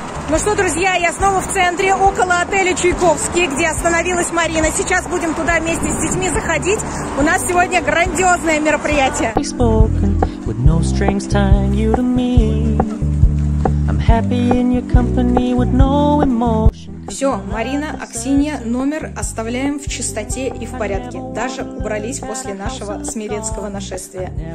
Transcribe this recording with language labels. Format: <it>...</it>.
<ru>Ну что, друзья, я снова в центре, около отеля Чайковский, где остановилась Марина. Сейчас будем туда вместе с детьми заходить. У нас сегодня грандиозное мероприятие.</ru> <en>We've spoken with no strings tying you to me. I'm happy in your company with no emotion.</en> <ru>Все, Марина, Аксинья, номер оставляем в чистоте и в порядке. Даже убрались после нашего смиренского нашествия.</ru>